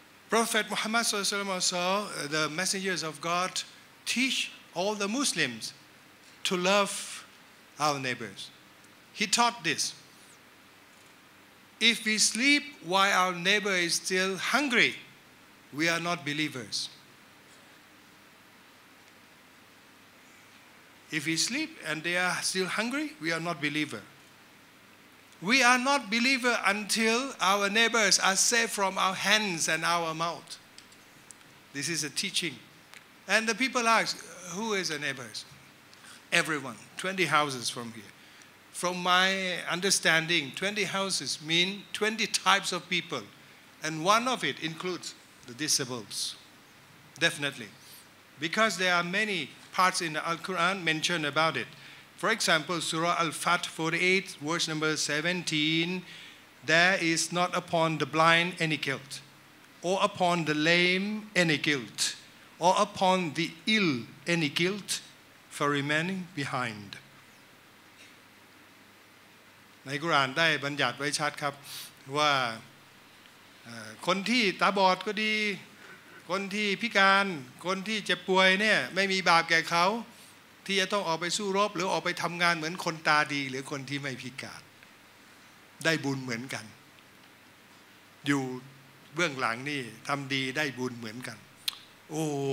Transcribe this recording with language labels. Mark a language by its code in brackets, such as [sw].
[en] Prophet Muhammad [ar] sallallahu alaihi wasallam [en] the messengers of God teach all the Muslims to love our neighbors he taught this if we sleep while our neighbor is still hungry we are not believers If we sleep and they are still hungry, we are not believer. We are not believer until our neighbors are safe from our hands and our mouth. This is a teaching. And the people ask, who is the neighbors? Everyone, 20 houses from here. from my understanding, 20 houses mean 20 types of people, and one of it includes the disabled, definitely. Because there are many parts in the Al-Quran mentioned about it. For example, Surah Al-Fath 48, verse number 17, there is not upon the blind any guilt, or upon the lame any guilt, or upon the ill any guilt for remaining behind. [th] ในกุรอานได้บัญญัติไว้ชัดครับว่าคนที่ตาบอดก็ดีคนที่พิการคนที่เจ็บป่วยเนี่ยไม่มีบาปแก่เขาที่จะต้องออกไปสู้รบหรือออกไปทำงานเหมือนคนตาดีหรือคนที่ไม่พิการได้บุญเหมือนกันอยู่เบื้องหลังนี่ทำดีได้บุญเหมือนกันโอ้